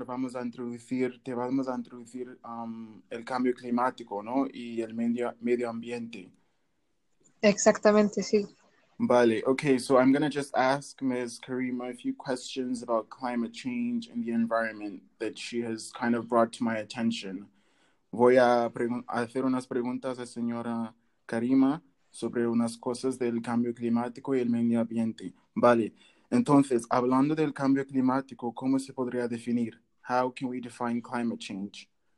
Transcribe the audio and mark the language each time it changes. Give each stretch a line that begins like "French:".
Spanish: Te vamos a introducir el cambio climático, ¿no? Y el medio ambiente. Exactamente, sí. Vale.
English: Okay, so I'm going to just ask Ms. Karima a few questions about climate change and the environment that she has kind of brought to my attention.
Spanish: Voy a hacer unas preguntas a señora Karima sobre unas cosas del cambio climático y el medio ambiente. Vale. Entonces, hablando del cambio climático, ¿cómo se podría definir?
English: How can we define climate change?